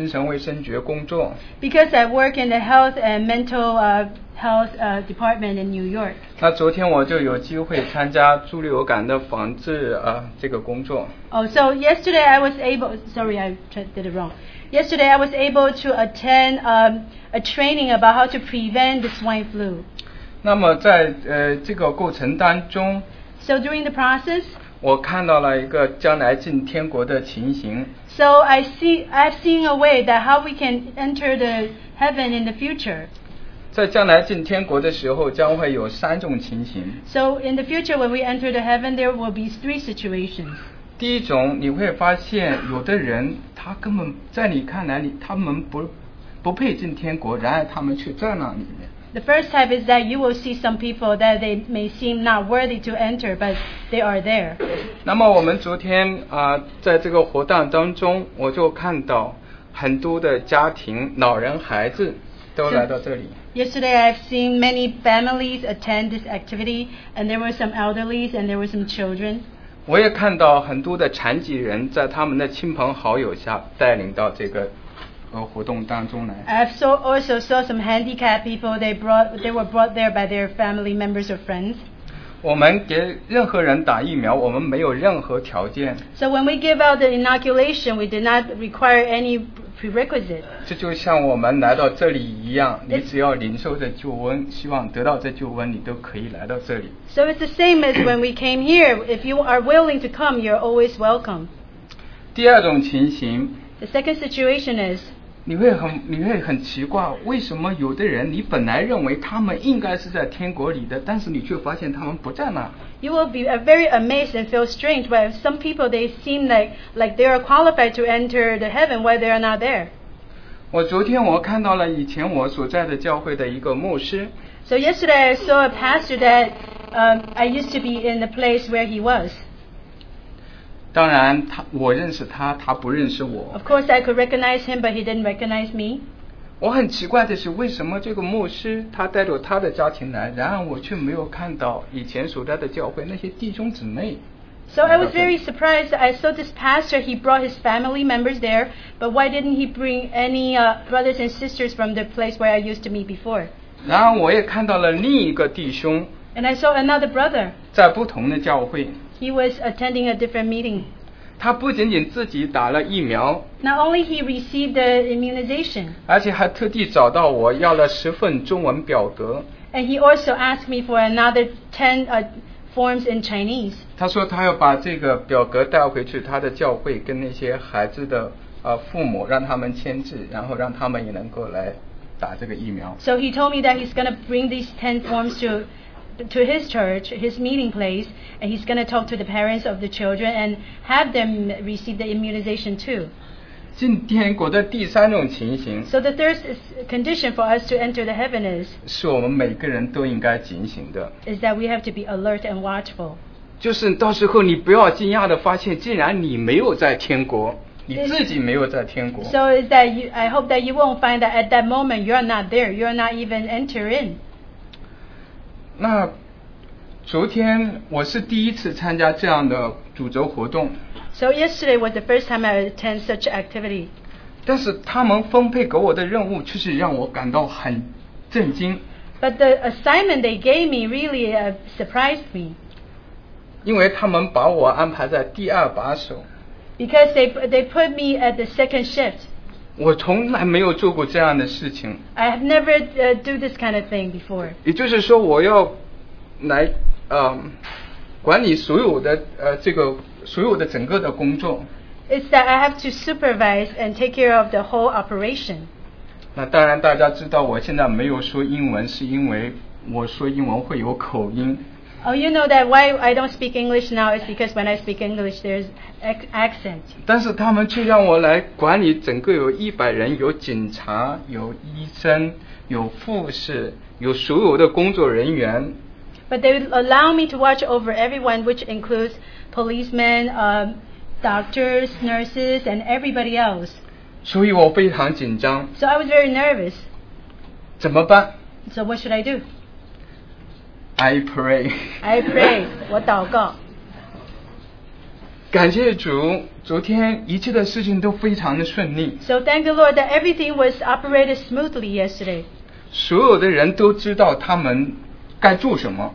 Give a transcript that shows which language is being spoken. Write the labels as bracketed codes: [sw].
[en] Because I work in the health and mental health department in New York. [zh] 那昨天我就有机会参加猪流感的防治这个工作。 [en] Oh, so yesterday I was able. Sorry, I did it wrong. Yesterday I was able to attend a training about how to prevent the swine flu. [zh] 那么在这个过程当中 [en] ，So during the process. [zh] 我看到了一个将来进天国的情形。 [en] So I've seen a way that how we can enter the heaven in the future. [zh] 在将来进天国的时候，将会有三种情形。 [en] So in the future, when we enter the heaven, there will be three situations. [zh] 第一种，你会发现有的人他根本在你看来你他们不配进天国，然而他们却在那里面。 [en] The first type is that you will see some people that they may seem not worthy to enter, but they are there. [zh] 那么我们昨天在这个活动当中，我就看到很多的家庭、老人、孩子都来到这里。 [en] Yesterday, I've seen many families attend this activity, and there were some elderlies and there were some children. [zh] 我也看到很多的残疾人在他们的亲朋好友下带领到这个。 [en] I've also saw some handicapped people. They were brought there by their family members or friends. [zh] 我们给任何人打疫苗，我们没有任何条件。 [en] So when we give out the inoculation, we did not require any prerequisite. [zh] 这就像我们来到这里一样，你只要领受这救恩，希望得到这救恩，你都可以来到这里。 [en] So it's the same as when we came here. If you are willing to come, you're always welcome. [zh] 第二种情形。 [en] The second situation is, [zh] 你会很奇怪，为什么有的人你本来认为他们应该是在天国里的，但是你却发现他们不在那。 [en] You will be very amazed and feel strange why some people they seem like they are qualified to enter the heaven why they are not there. [zh] 我昨天我看到了以前我所在的教会的一个牧师。 [en] So yesterday I saw a pastor that I used to be in the place where he was. [zh] 当然我认识他，他不认识我。 [en] Of course, I could recognize him, but he didn't recognize me. [zh] 我很奇怪的是，为什么这个牧师他带着他的家庭来，然而我却没有看到以前所在的教会那些弟兄姊妹。 [en] So I was very surprised. I saw this pastor. He brought his family members there, but why didn't he bring any brothers and sisters from the place where I used to meet before? [zh] 然后我也看到了另一个弟兄。 [en] And I saw another brother. [zh] 在不同的教会。 [en] He was attending a different meeting. [zh] 他不仅仅自己打了疫苗。 [en] Not only he received the immunization. [zh] 而且还特地找到我要了十份中文表格。 [en] And he also asked me for another 10 forms in Chinese. [zh] 他说他要把这个表格带回去他的教会跟那些孩子的父母让他们签字，然后让他们也能够来打这个疫苗。 [en] So he told me that he's going to bring these 10 forms to his church, his meeting place, and he's going to talk to the parents of the children and have them receive the immunization too. [zh] 进天国的第三种情形。 [en] So the third condition for us to enter the heaven is, [zh] 是我们每个人都应该警醒的。 [en] Is that we have to be alert and watchful. [zh] 就是到时候你不要惊讶地发现竟然你没有在天国，你自己没有在天国。 [en] So is that I hope that you won't find that at that moment you're not there, you're not even enter in. [zh] 那昨天我是第一次参加这样的主轴活动。 [en] So yesterday was the first time I attended such activity. [zh] 但是他们分配给我的任务却是让我感到很震惊。 [en] But the assignment they gave me really surprised me. [zh] 因为他们把我安排在第二把手。 [en] Because they put me at the second shift. [zh] 我从来没有做过这样的事情。 [en] I have never do this kind of thing before. [zh] 也就是说，我要来管理所有的这个所有的整个的工作。 [en] It's that I have to supervise and take care of the whole operation. [zh] 那当然，大家知道我现在没有说英文，是因为我说英文会有口音。 [en] Oh, you know that why I don't speak English now is because when I speak English, there's accent. [zh] 但是他们却让我来管理整个有一百人，有警察，有医生，有护士，有所有的工作人员。 [en] But they allow me to watch over everyone, which includes policemen, doctors, nurses, and everybody else. [zh] 所以我非常紧张。 [en] So I was very nervous. [zh] 怎么办？ [en] So what should I do? I pray. I pray. [zh] 我祷告。感谢主，昨天一切的事情都非常的顺利。 [en] So thank the Lord that everything was operated smoothly yesterday. [zh] 所有的人都知道他们该做什么。